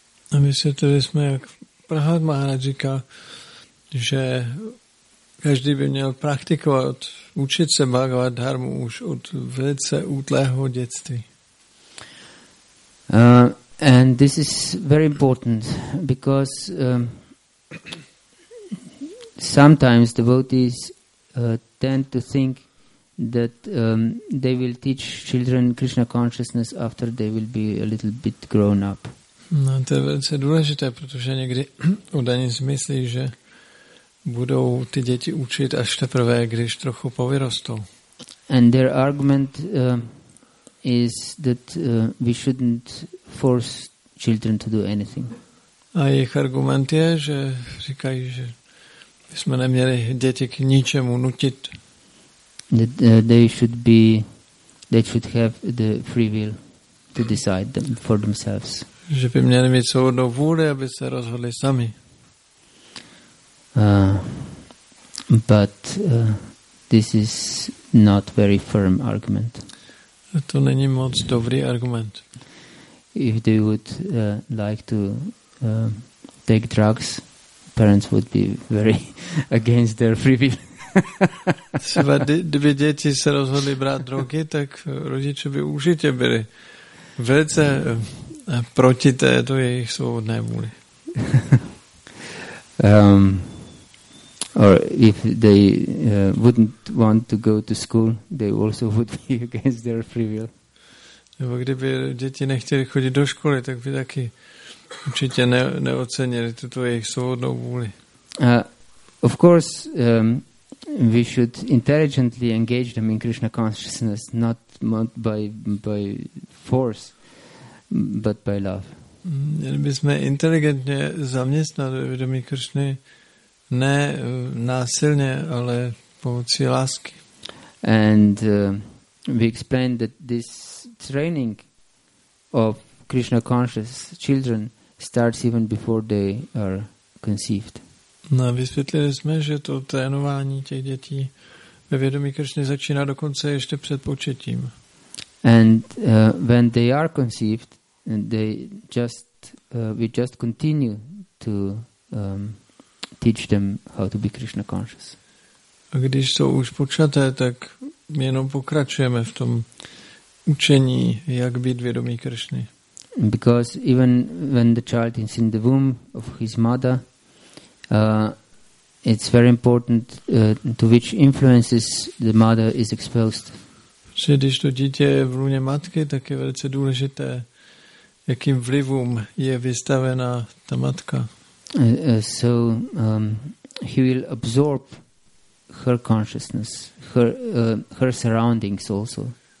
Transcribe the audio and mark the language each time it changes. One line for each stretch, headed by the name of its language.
Czech: A vysvětlili jsme, jak Prahlad Maharaj říká, že každý by měl praktikovat, učit se Bhagavad Dharmu už od velice útlého dětství.
English: And this is very important because sometimes devotees tend to think that they will teach children Krishna consciousness after they will be a little bit grown up.
Czech: No, to je velice důležité, protože někdy udaní zmyslí, že budou ty děti učit až teprve, když trochu povyrostou.
English: And their argument is that we shouldn't force children to do anything.
Czech: A jejich argument je, že říkají, že bychom neměli děti k ničemu nutit.
English: That they should have the free will to decide them for themselves.
Czech: Že by měli mít svobodnou vůli, aby se rozhodli sami.
English: But this is not very firm argument.
Czech: To není moc dobrý argument.
English: If they would like to take drugs, parents would be very against their free will.
Czech: Třeba kdyby děti se rozhodli brát drogy, tak rodiče by určitě byli velice proti této jejich svobodné vůli.
English: Or if they wouldn't want to go to school, they also would be against their free will.
Czech: Nebo kdyby děti nechtěli chodit do školy, tak by taky určitě neocenili tuto jejich svobodnou vůli.
English: Of course, we should intelligently engage them in Krishna consciousness, not by force, but by love.
Czech: Měli bychom inteligentně zaměstnat vědomí Krishny, ne násilně, ale pomocí lásky.
English: And we explained that this training of Krishna conscious children starts even before they are conceived.
Czech: No, vysvětlili jsme, že to trénování těch dětí ve vědomí Krishny začíná dokonce ještě před početím.
English: And when they are conceived, they just we just continue to teach them how to be Krishna conscious.
Czech: A když jsou už počaté, tak jenom pokračujeme v tom učení, jak být vědomí Krishny.
English: Because even when the child is in the womb of his mother, it's very important to which influences the mother is exposed.
Czech: Že když to dítě je v lůně matky, tak je velice důležité, jakým vlivům je vystavena ta matka.
English: He will absorb her consciousness, her surroundings also.